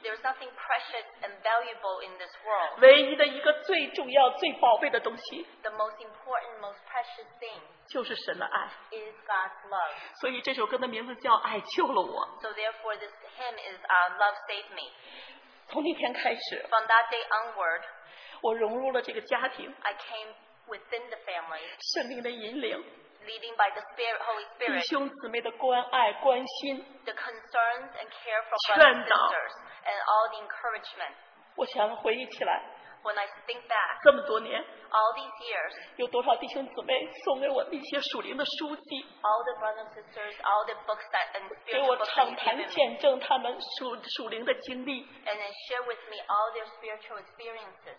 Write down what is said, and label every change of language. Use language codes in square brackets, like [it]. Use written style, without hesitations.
[en] There's nothing precious and valuable in this world. [zh] 唯一的一个最重要、最宝贝的东西。 [en] The most important, most precious thing. [zh] 就是神的爱。 [en] Is God's love. [zh] 所以这首歌的名字叫《爱救了我》。 [en] So therefore, this hymn is Love Saved Me. [zh] 从那天开始 [en] From that day onward, [zh] 我融入了这个家庭 [en] I came within the family, [zh] 圣灵的引领 [en] leading by the Spirit, Holy Spirit, [zh] 弟兄姊妹的关爱关心 [en] the concerns and care for brothers and sisters, and all the encouragement. [zh] 我想回忆起来 [en] when I think back, [zh] 这么多年 [en] all these years, [zh] 有多少弟兄姊妹送给我一些属灵的书籍 [en] all the brothers and sisters, all the books that and spiritual books [zh] 给我畅谈见证他们 属灵的经历 [en] And then share with me all their spiritual experiences.